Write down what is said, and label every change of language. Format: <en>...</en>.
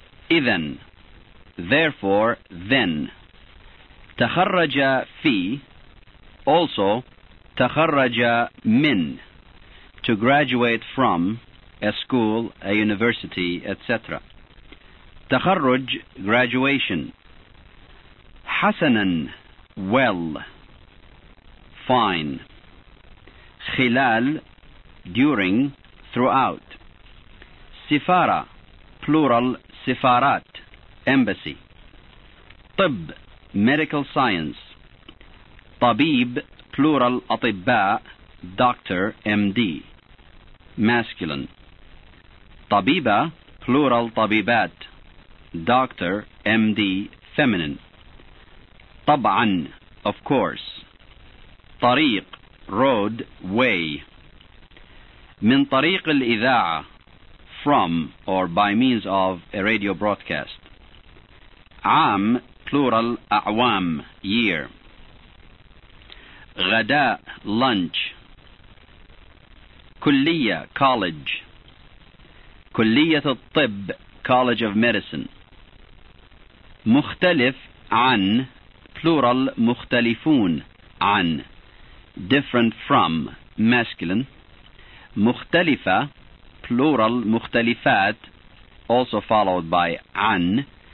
<en>إذن, therefore, then.</en> <ar>تخرج في,</ar> <en>also,</en> <ar>تخرج من,</ar> <en>to graduate from, a school, a university, etc. تخرج, graduation. حسنا, well. Fine. خلال, during, throughout. سفارة, plural, سفارات, embassy. طب, medical science. طبيب, plural, أطباء, doctor, MD, masculine. طبيبة, plural, طبيبات, doctor, MD, feminine. طبعا, of course. طريق, road, way.</en> <ar>من طريق الإذاعة,</ar> <en>from or by means of a radio broadcast. عام, plural, أعوام, year. غداء, lunch. كلية, college.</en> <ar>كلية الطب,</ar> <en>college of medicine.</en> <ar>مختلف عن, plural, مختلفون عن.</ar> <en>Different from, masculine.</en> <ar>مختلفة, plural, مختلفات,</ar> <en>also followed by عن.</en>